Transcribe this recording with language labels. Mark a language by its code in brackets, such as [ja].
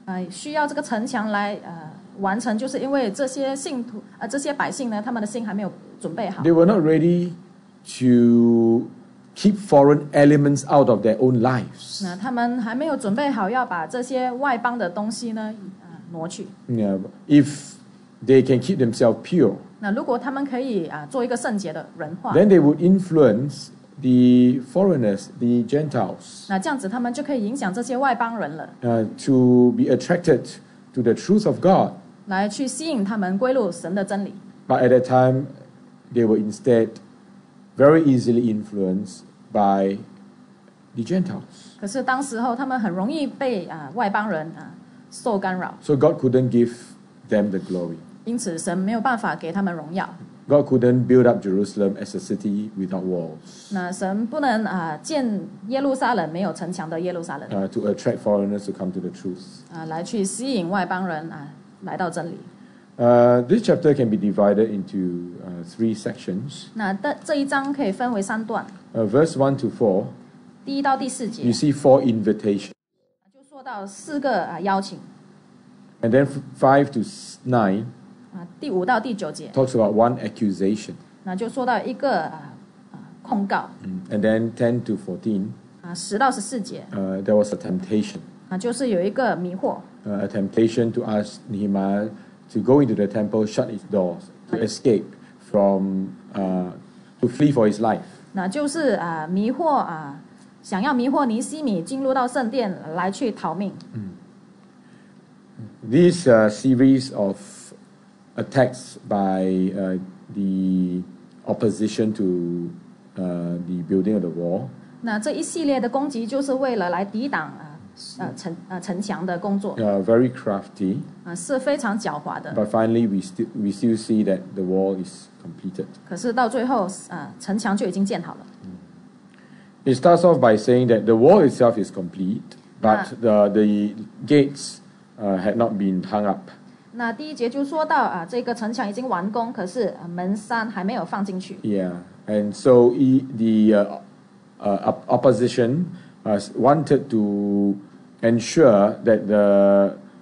[zh] 需要这个城墙来完成，就是因为这些信徒这些百姓呢，他们的心还没有准备好。 [en] They were not ready to keep foreign elements out of their own lives. [zh] 那他们还没有准备好要把这些外邦的东西呢，挪去。 [en] If they can keep themselves pure. [zh] 那如果他们可以做一个圣洁的人化。 [en] Then they would influence the foreigners, the Gentiles. [zh] 那这样子他们就可以影响这些外邦人了。 [en] To be attracted to the truth of God. [zh] 来去吸引他们归入神的真理。 [en] But at that time, they were instead very easily influenced by the Gentiles. [zh] 可是当时候他们很容易被外邦人受干扰。 [en] So God couldn't give them the glory. [zh] 因此神没有办法给他们荣耀。 [en] God couldn't build up Jerusalem as a city without walls. [zh] 那神不能建耶路撒冷没有城墙的耶路撒冷。 [en] To attract foreigners to come to the truth. [zh] 来去吸引外邦人来到真理。 [en] This chapter can be divided into three sections. [zh] 那这一章可以分为三段。 [en] Verse 1-4. [zh] 第一到第四节。 [en] You see four invitations. [zh] 就说到四个邀请。 [en] And then 5-9. [zh] 第五到第九节。 [en] Talks about one accusation. [zh] 那就说到一个控告。 [en] And then 10-14. [zh] 十到十四节。 [en] There was a temptation. [zh] 就是有一个迷惑。 [en] A temptation to ask Nehemiah to go into the temple, shut its doors, to escape from, to flee for his life. [zh] 那就是迷惑想要迷惑尼希米进入到圣殿来去逃命。 [en] This series of attacks by the opposition to the building of the wall. [zh] 那这一系列的攻击就是为了来抵挡城墙的工作。 [en] Very crafty. [zh] 是非常狡猾的。 [en] But finally, we still see that the wall is completed. [zh] 可是到最后，城墙就已经建好了。 [en] It starts off by saying that the wall itself is complete, but the gates had not been hung up. [zh] 那第一节就说到这个城墙已经完工，可是门栓还没有放进去。 [en] Yeah, and so the opposition wanted to ensure that the